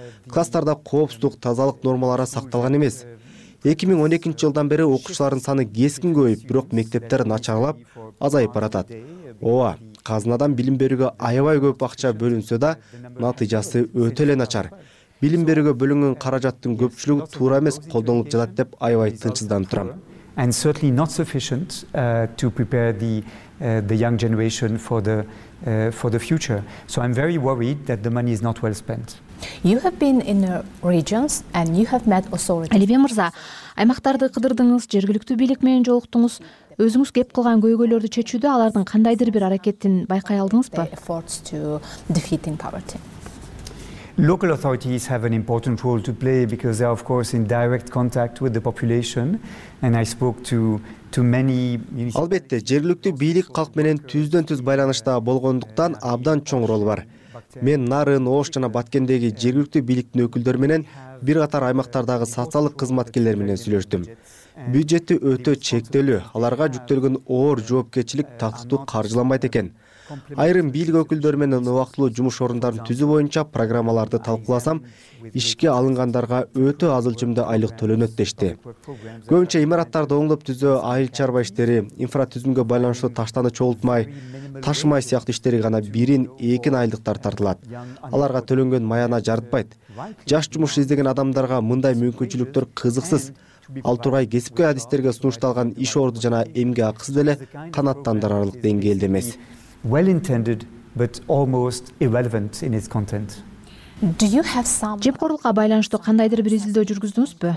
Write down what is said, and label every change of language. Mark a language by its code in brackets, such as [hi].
[ky] Класстарда коопсуздук, тазалык нормалары сакталган эмес. 2012 жылдан бери окуучулардын саны кескин көбөйүп, бирок мектептер начарлап, азайып баратат. Ооба, казынадан билим берүүгө аябай көп акча бөлүнсө да, натыйжасы өтө эле начар. Билим берүүгө бөлүнгөн каражаттын көпчүлүгү туура эмес колдонулуп жатат деп аябай тынчсызданып турам. [en] And certainly not sufficient to prepare the young generation for the future. So I'm very worried that the money is not well spent. You have been in the regions and you have met authorities. [ky] Алибе мырза, аймактарды кыдырдыңыз, жергиликтүү бийлик менен жолуктуңуз. Өзүңүз кеп кылган көйгөйлөрдү чечүүдө алардын кандайдыр бир аракетин байкай алдыңызбы? [en] Efforts to defeat in poverty. Local authorities have an important role to play because they are of course in direct contact with the population and I spoke to many [ky] Албетте, жергиликтүү бийлик калк менен түздөн-түз байланышта болгондуктан абдан чоң рол бар. Мен Нарын, Ош жана Баткендеги жергиликтүү бийликтин өкүлдөрү менен бир катар аймактардагы социалдык кызматкерлер менен сүйлөштүм. Бюджети өтө чектелүү, аларга жүктөлгөн оор жоопкерчилик тактыктуу каржыланбайт экен. Айрым бийлик өкүлдөрү менен убактылуу жумуш орундарын түзүү боюнча программаларды талкууласам, ишке алынгандарга өтө аз өлчөмдө айлык төлөнөт дешти. Көбүнчө имараттарды оңдоп түзөө, айыл чарба иштери, инфратүзүмгө байланыштуу таштаны чогултмай, ташымай сыяктуу иштери гана бирин экин айлыктар тартылат. Аларга төлөнгөн маяна жарытпайт. Жаш жумуш издеген адамдарга мындай мүмкүнчүлүктөр кызыксыз. Ал тургай кесипкөй адистерге сунушталган иш орду жана эмге акысы деле канааттандырарлык деңгээлде эмес. [en] Well intended but almost irrelevant in its content. Do you have some [ky] жемкорлукка байланыштуу кандайдыр бир изилдөө жүргүздүңүзбү?